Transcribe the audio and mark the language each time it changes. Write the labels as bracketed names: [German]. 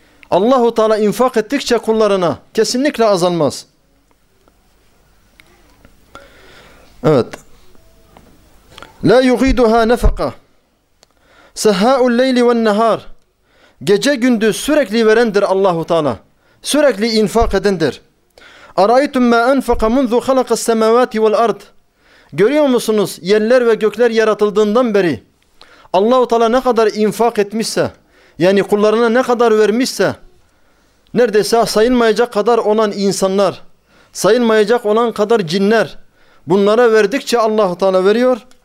[Turkish] Allahu Teala infak ettikçe kullarına kesinlikle azalmaz. [Arabic] Evet. La yughiduha nafaka. Sahaul leyli ven nahar. [Turkish] Gece gündüz sürekli verendir Allahu Teala. Sürekli infak edendir. [Arabic] Araytum ma enfaka منذ خلق السماوات والارض. [Turkish] Görüyor musunuz? Yerler ve gökler yaratıldığından beri Allahu Teala ne kadar infak etmişse, yani kullarına ne kadar vermişse, neredeyse sayılmayacak kadar olan insanlar, sayılmayacak olan kadar cinler, bunlara verdikçe Allahu Teala veriyor.